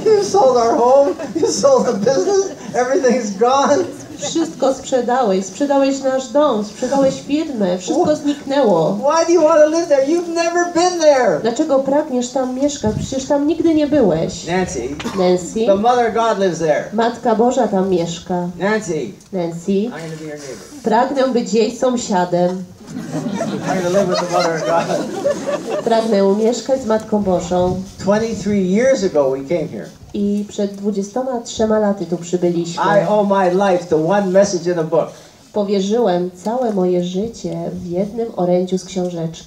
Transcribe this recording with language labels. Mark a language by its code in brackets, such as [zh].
[en] You sold our home, you sold the business, everything's gone. [pl] Wszystko sprzedałeś. Sprzedałeś nasz dom, sprzedałeś firmę. Wszystko zniknęło. [en] Why do you want to live there? You've never been there. [pl] Dlaczego pragniesz tam mieszkać? Przecież tam nigdy nie byłeś. [en] Nancy. The Mother of God lives there. [pl] Matka Boża tam mieszka. [en] Nancy. I'm going to be your neighbor. [pl] Pragnę być jej sąsiadem. [en] I'm going to live with the Mother of God. [pl] Pragnę mieszkać z Matką Bożą. [en] 23 years ago we came here. [pl] I przed 23 laty tu przybyliśmy. [en] I owe my life to one message in a book. [pl] Powierzyłem całe moje życie w jednym orędziu z książeczki.